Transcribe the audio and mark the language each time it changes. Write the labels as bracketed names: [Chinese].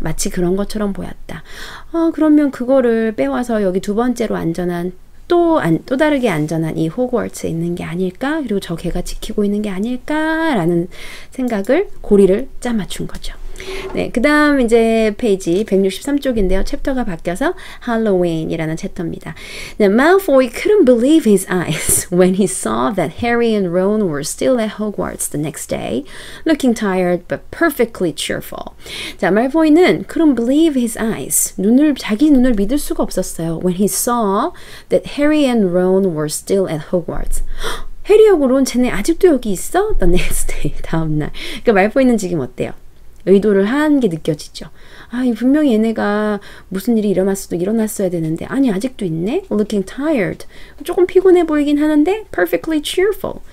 [Korean] 마치 그런 것처럼 보였다. 그러면 그거를 빼와서 여기 두 번째로 안전한 또 다르게 안전한 이 호그와트에 있는 게 아닐까? 그리고 저 개가 지키고 있는 게 아닐까라는 생각을 고리를 짜맞춘 거죠. 네, 그 다음 이제 페이지 163쪽인데요. 챕터가 바뀌어서 할로윈이라는 챕터입니다. [English] Now, Malfoy couldn't believe his eyes when he saw that Harry and Ron were still at Hogwarts the next day, looking tired but perfectly cheerful. 자, Malfoy는 couldn't believe his eyes. [Korean] 자기 눈을 믿을 수가 없었어요. [English] When he saw that Harry and Ron were still at Hogwarts. [Korean] 해리하고 론 쟤네 아직도 여기 있어? [English] The next day, [Korean] 다음날. 그러니까 Malfoy는 지금 어때요? 의도를 한 게 느껴지죠. 아, 분명히 얘네가 무슨 일이 일어났어야 되는데 아니 아직도 있네? [English] Looking tired. [Korean] 조금 피곤해 보이긴 하는데 [English] perfectly cheerful.